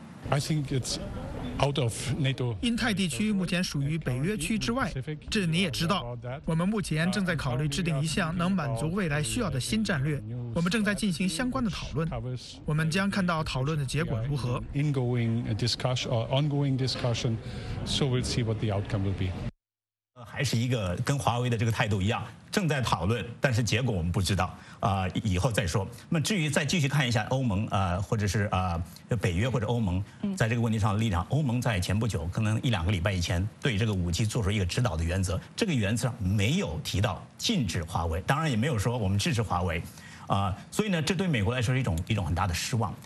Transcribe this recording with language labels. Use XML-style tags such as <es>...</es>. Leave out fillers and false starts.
<en>I think it's out of NATO.</en> <zh>印太地区目前属于北约区之外，这你也知道。我们目前正在考虑制定一项能满足未来需要的新战略，我们正在进行相关的讨论，我们将看到讨论的结果如何。</zh> <en>Ingoing discussion or ongoing discussion, so we'll see what the outcome will be.</en> <zh>还是一个跟华为的这个态度一样，正在讨论，但是结果我们不知道。以后再说。那么至于再继续看一下欧盟或者是北约或者欧盟在这个问题上的立场，欧盟在前不久可能一两个礼拜以前对这个 5G 做出一个指导的原则，这个原则上没有提到禁止华为，当然也没有说我们支持华为所以呢这对美国来说是一种很大的失望。</zh>